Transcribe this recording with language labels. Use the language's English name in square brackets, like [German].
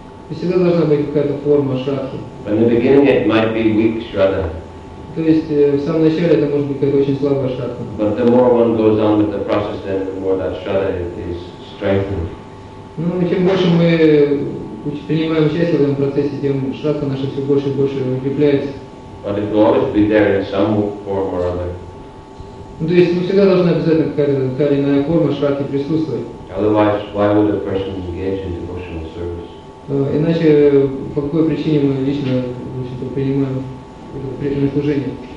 [Russian] Всегда должна быть какая-то форма шрадхи. [English] But in the beginning it might be weak shraddha. [Russian] То есть в самом начале это может быть какая-то очень слабая шрадха. [English] But the more one goes on with the process, then the more that shraddha is strengthened. [Russian] Ну, чем больше мы принимаем участие в этом процессе, тем шрадха наша все больше и больше укрепляется. [English] But it will always be there in some form or other. [Russian] То есть мы всегда должны обязательно какая-то иная форма шрадхи присутствовать. [English] Otherwise, why would a person engage in devotional service? [Russian] Иначе по какой причине мы лично, в общем-то, принимаем преданное служение?